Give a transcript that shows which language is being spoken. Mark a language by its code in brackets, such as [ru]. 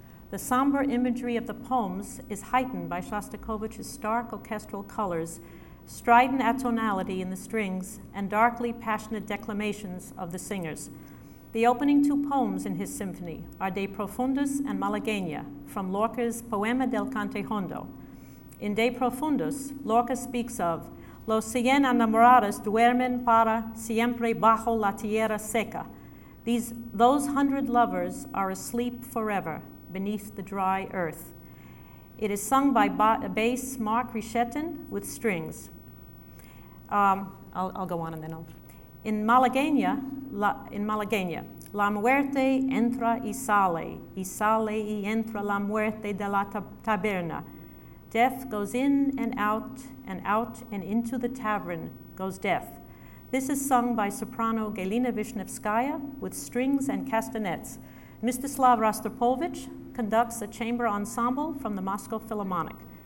[en] The somber imagery of the poems is heightened by Shostakovich's stark orchestral colors, strident atonality in the strings, and darkly passionate declamations of the singers. The opening two poems in his symphony are De Profundis and Malagueña from Lorca's Poema del Cantejondo. In De Profundis, Lorca speaks of [es] Los cien enamorados duermen para siempre bajo la tierra seca. [en] Those 100 lovers are asleep forever beneath the dry earth. It is sung by bass Mark Richetin with strings. I'll go on and then I'll... In [es] Malagueña, la muerte entra y sale y entra la muerte de la taberna. [en] Death goes in and out and into the tavern goes death. This is sung by soprano Galina Vishnevskaya with strings and castanets. Mstislav Rostropovich conducts a chamber ensemble from the Moscow Philharmonic.